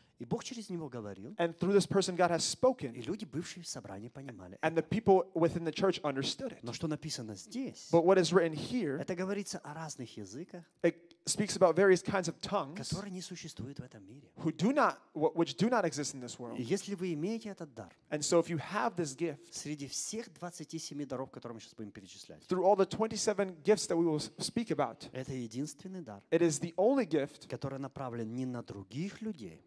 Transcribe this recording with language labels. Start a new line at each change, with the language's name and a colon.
Russian: И Бог через него говорил.
English: And through this person God has spoken.
Russian: И люди, бывшие в собрании, понимали.
English: And the people within the church understood it.
Russian: Но что написано здесь?
English: But what is written here?
Russian: Это говорится о разных языках.
English: It speaks about various kinds of tongues.
Russian: Которые не существуют в этом мире.
English: Who do not, which do not exist in this world.
Russian: Если вы имеете этот дар.
English: And so if you have this gift.
Russian: Среди всех 27 даров, которые мы сейчас будем перечислять.
English: Through all the 27 gifts that we will speak about.
Russian: Это единственный дар.
English: It is the only gift.
Russian: Который направлен не на других людей.